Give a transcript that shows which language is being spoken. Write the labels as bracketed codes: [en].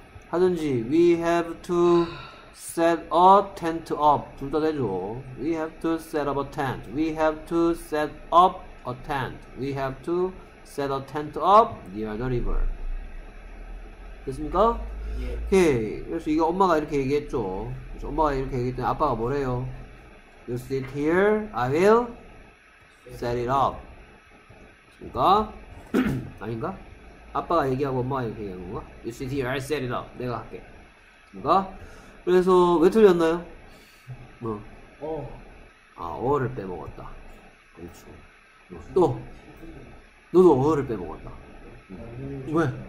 [ko] 하든지 [en] We have to set a tent up. 둘 다 되죠. We have to set up a tent. We have to set up a tent. We have to set a tent up near the river [ko] 됐습니까? 예 오케이 그래서 이거 엄마가 이렇게 얘기했죠 그래서 엄마가 이렇게 얘기했더니 아빠가 뭐래요? [en] You sit here, I will set it up [ko] 됐습니까? 아닌가? 아빠가 얘기하고 엄마가 이렇게 얘기한 건가? [en] You sit here, I'll set it up [ko] 내가 할게 됐습니까? 그래서 왜 틀렸나요? 뭐? 어 아, 어를 빼먹었다 그렇죠 뭐. 또 너도 어를 빼먹었다. 응. 왜?